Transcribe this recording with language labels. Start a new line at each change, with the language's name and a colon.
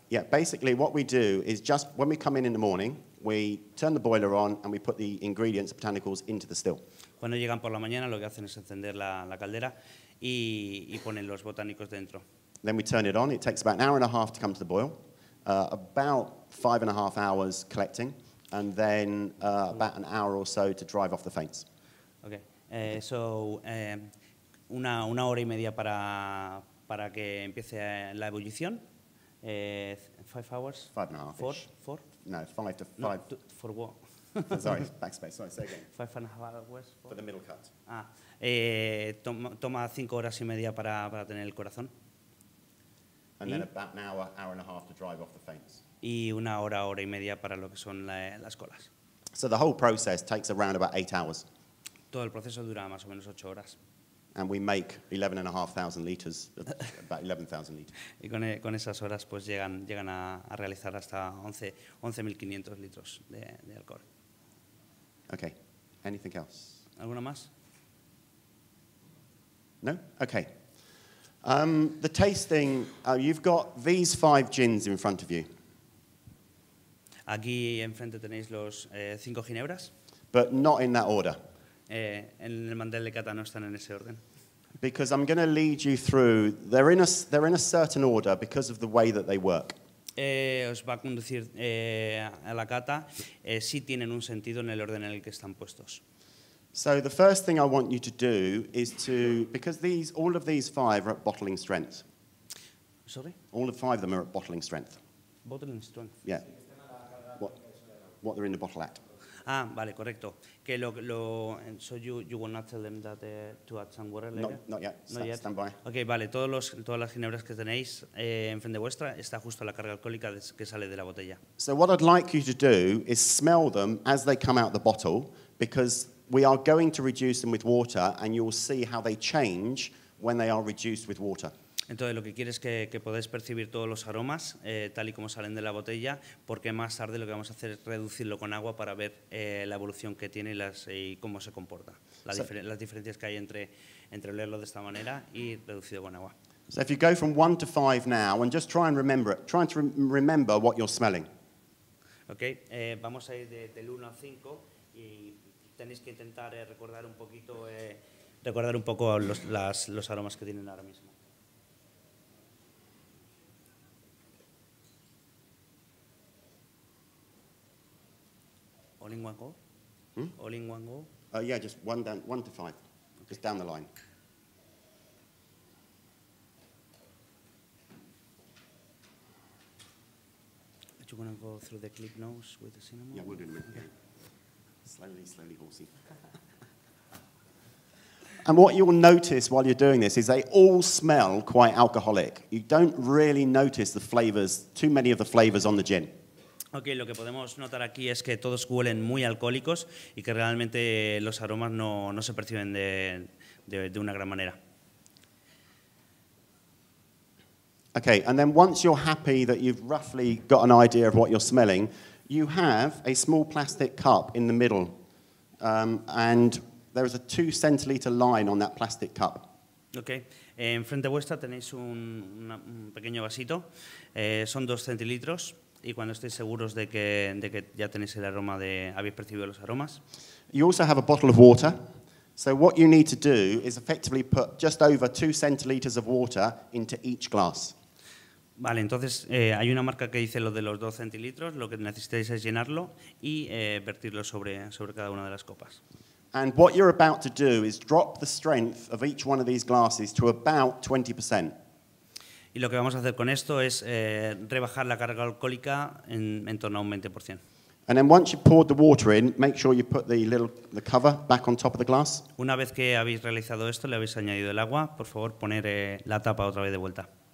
English: Yeah, basically what we do is just when we come in the morning, we turn the boiler on and we put the ingredients, botanicals, into the still.
Spanish: Cuando llegan por la mañana, lo que hacen es encender la caldera y ponen los botánicos dentro.
English: Then we turn it on. It takes about an hour and a half to come to the boil, about 5.5 hours collecting, and then about an hour or so to drive off the faints. Okay, so
Spanish: una hora y media para que empiece la ebullición.
English: 5 hours. 5.5. Four. No, five to five. No, for what? Sorry, backspace. Sorry, say again. 5.5 hours. For the middle cut.
Spanish: Ah, toma 5 horas y media para tener el corazón.
English: And then about an hour and a half to drive off the faints.
Spanish: Y una hora y media para lo que son las colas.
English: So the whole process takes around about 8 hours.
Spanish: Todo el proceso dura más o menos 8 horas.
English: And we make 11,500 liters, about 11,000 liters.
Spanish: Y con esas horas pues llegan a realizar hasta 11,500 litros de alcohol.
English: Okay. Anything else?
Spanish: ¿Alguna más?
English: No? Okay. The tasting, you've got these 5 gins in front of you.
Spanish: Aquí enfrente tenéis los 5 ginebras.
English: But not in that order.
Spanish: En el mandel de cata no están en ese orden.
English: Because I'm going to lead you through, they're in a certain order because of the way that they work.
Spanish: Os va a conducir a la cata, sí tienen un sentido en el orden en el que están puestos.
English: So the first thing I want you to do is to, because all of these 5 are at bottling strength. Sorry? All the 5 of them are at bottling strength. Bottling strength? Yeah. What they're in the bottle at.
Spanish: Ah, vale, correcto. Que lo
English: so you will not tell them that to add some water later? Not yet. Stand by.
Spanish: Okay, vale, todas las ginebras que tenéis enfrente vuestra está justo la carga alcohólica que sale de la botella.
English: So what I'd like you to do is smell them as they come out the bottle, because we are going to reduce them with water and you'll see how they change when they are reduced with water.
Spanish: Entonces, lo que quieres es que podáis percibir todos los aromas, tal y como salen de la botella, porque más tarde lo que vamos a hacer es reducirlo con agua para ver la evolución que tiene y cómo se comporta. Las diferencias que hay entre olerlo de esta manera y reducido con agua.
English: So if you go from 1 to 5 now, and just try and remember it, try to remember what you're smelling.
Spanish: Okay, vamos a ir del 1 al 5 y tenéis que intentar recordar un poco los aromas que tienen ahora mismo.
English: All in one go? Hmm? All in one go? Yeah, just one to five. Okay. Just down the line. Are you going to go through the clip nose with the cinnamon? Yeah, we'll do it. Okay. Slowly, slowly horsey. And what you'll notice while you're doing this is they all smell quite alcoholic. You don't really notice the flavors, too many of the flavors on the gin.
Spanish: Okay, lo que podemos notar aquí es que todos huelen muy alcohólicos y que realmente los aromas no se perciben de una gran manera.
English: Okay, and then once you're happy that you've roughly got an idea of what you're smelling, you have a small plastic cup in the middle, and there is a 2-centiliter line on that plastic cup.
Spanish: Okay. Enfrente vuestra tenéis un pequeño vasito. Son 2 centilitros. Y cuando estéis seguros de que ya tenéis el aroma habéis percibido los aromas.
English: You also have a bottle of water. So what you need to do is effectively put just over 2 centiliters of water into each glass.
Spanish: Vale, entonces hay una marca que dice lo de los 2 centilitros. Lo que necesitáis es llenarlo y vertirlo sobre cada una de las copas.
English: And what you're about to do is drop the strength of each one of these glasses to about 20%.
Spanish: Y lo que vamos a hacer con esto es rebajar la carga alcohólica en torno a un 20%.
English: And then once you've poured the water in, make sure you put the cover back on top of the glass.
Spanish: Una vez que habéis realizado esto, le habéis añadido el agua, por favor, poner la tapa otra vez de vuelta.